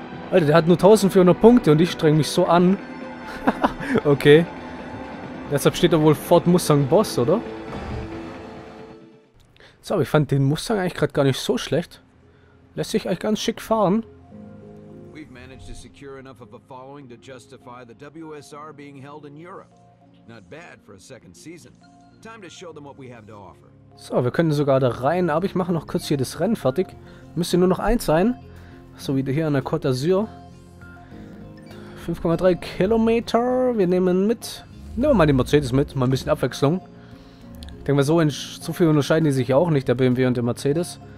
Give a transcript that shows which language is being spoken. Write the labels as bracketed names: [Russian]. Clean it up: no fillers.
[German] Alter, der hat nur 1400 Punkte und ich streng mich so an. Okay. Deshalb steht da wohl Ford Mustang Boss, oder? So, aber ich fand den Mustang eigentlich gerade gar nicht so schlecht. Lässt sich eigentlich ganz schick fahren. [English] Secure enough of a following to justify the WSR being held in Europe. Not bad for a second season. Time to show them what we have to offer. [German] So, wir können sogar da rein, aber ich mache noch kurz hier das Rennen fertig. Müsste nur noch eins sein. So wie hier an der Côte d'Azur. 5,3 Kilometer. Wir nehmen mit. Nehmen wir mal den Mercedes mit. Mal ein bisschen Abwechslung. Ich denke mal, so viel unterscheiden die sich auch nicht, der BMW und der Mercedes.